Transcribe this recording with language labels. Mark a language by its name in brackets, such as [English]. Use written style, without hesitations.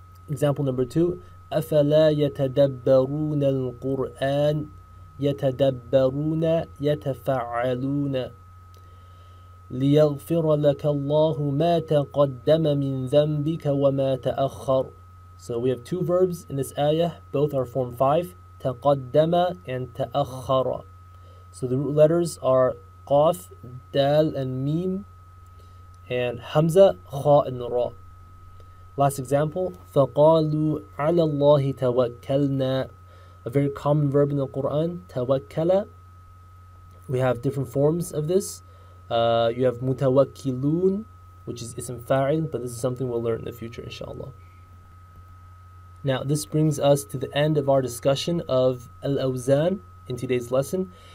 [English] Example number 2. [Arabic] أَفَلَا يَتَدَبَّرُونَ الْقُرْآنَ يَتَدَبَّرُونَ يَتَفَعَلُونَ لِيَغْفِرَ لَكَ اللَّهُ مَا تَقَدَّمَ مِنْ ذَنْبِكَ وَمَا تَأَخَّرُ. [English] So we have two verbs in this ayah, both are form 5, تَقَدَّمَ and تَأَخَّرَ. So the root letters are قَاف, دَال and ميم, and حَمْزَ, خَاء and رَاء. Last example, [Arabic] فَقَالُوا عَلَى اللَّهِ تَوَكَّلْنَا. [English] A very common verb in the Qur'an, tawakkala. We have different forms of this. You have mutawakkilun, which is ism fa'il, but this is something we'll learn in the future, inshallah. Now, this brings us to the end of our discussion of al-awzan in today's lesson.